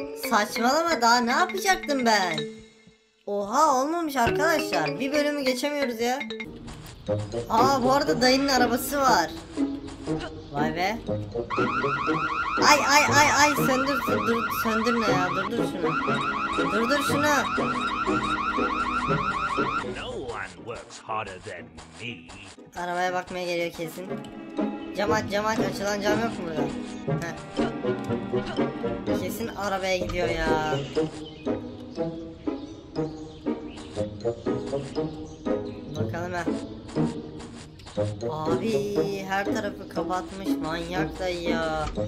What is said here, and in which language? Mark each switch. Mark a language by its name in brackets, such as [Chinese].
[Turkish] Saçmalama, daha ne yapacaktım ben? Oha, olmamış arkadaşlar. Bir bölümü geçemiyoruz ya. Aa, bu arada dayının arabası var. Vay be. Ay ay ay ay, söndür, söndür, söndürme ya, durdur şunu. Durdur şunu. [English] No one works harder than me. [Turkish] Arabaya bakmaya geliyor kesin. Cam aç, cam aç, açılan cam yok mu burada? Heh. Kesin arabaya gidiyor ya. Bakalım ha. Abi her tarafı kapatmış, manyak dayı ya.